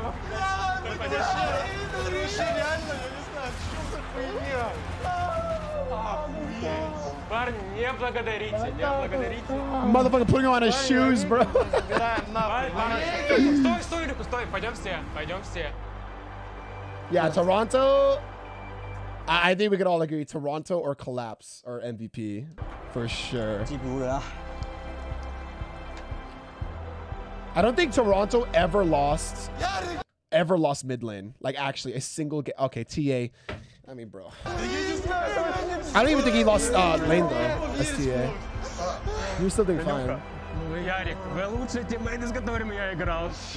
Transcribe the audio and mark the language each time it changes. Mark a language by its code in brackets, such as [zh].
[ru] Да, мы решили, реально, я не знаю, что за хуйня. Парни, не благодарите, не благодарите. [en] Motherfucker putting on his shoes, bro. [ru] Стой, стой, Рюку, стой, пойдем все, пойдем все. [en] Yeah, Toronto. I think we could all agree Toronto or Collapse or MVP for sure. I don't think Toronto ever lost mid lane. Like actually a single game. Okay, TA. I mean, bro. I don't even think he lost lane though. As TA. You're still doing fine. [ru] Ярик, вы лучший тиммейт, с которым я играл.